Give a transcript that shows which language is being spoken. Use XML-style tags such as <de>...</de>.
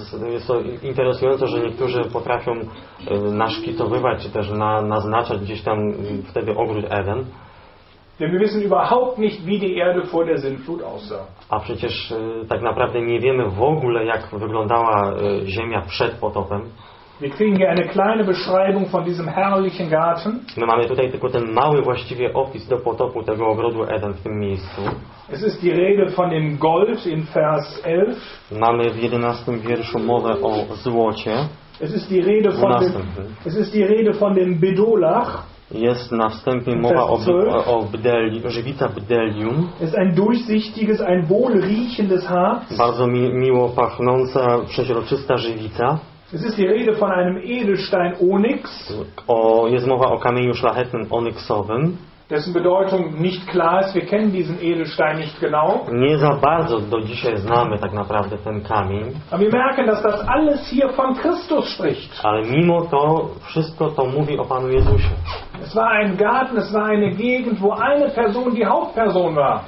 <pl>Jest to interesujące, że niektórzy potrafią naszkicowywać czy też naznaczać gdzieś tam wtedy ogród Eden.</pl> <de>Denn wir wissen überhaupt nicht, wie die Erde vor der Sintflut aussah.</de> <pl>A przecież tak naprawdę nie wiemy w ogóle, jak wyglądała ziemia przed potopem.</pl> <de>Wir kriegen hier eine kleine Beschreibung von diesem herrlichen Garten.</de> <pl>My mamy tutaj tylko ten mały właściwie opis do potopu tego ogrodu Eden w tym miejscu.</pl> <de>Es ist die Rede von dem Gold in Vers 11.</de> <pl>Mamy w 11 wierszu mowę o złocie.</pl> <de>Es ist die Rede von dem, es ist die Rede von dem Bedolach.</de> <pl>Jest na wstępie mowa o żywica bdelium. Jest</pl> <de>ein durchsichtiges, ein wohlriechendes Harz.</de> <pl>Bardzo miło pachnąca, przeźroczysta żywica.</pl> <de>Es ist die Rede von einem Edelstein Onyx.</de> <pl>Jest mowa o kamieniu szlachetnym onyksowym.</pl> <de>Dessen Bedeutung nicht klar ist. Wir kennen diesen Edelstein nicht genau.</de> <pl>Nie za bardzo do dzisiaj znamy tak naprawdę ten kamień.</pl> <de>Aber wir merken, dass das alles hier von Christus spricht.</de> <pl>Ale mimo to wszystko to mówi o Panu Jezusie.</pl> <de>Es war ein Garten, es war eine Gegend, wo eine Person die Hauptperson war.</de>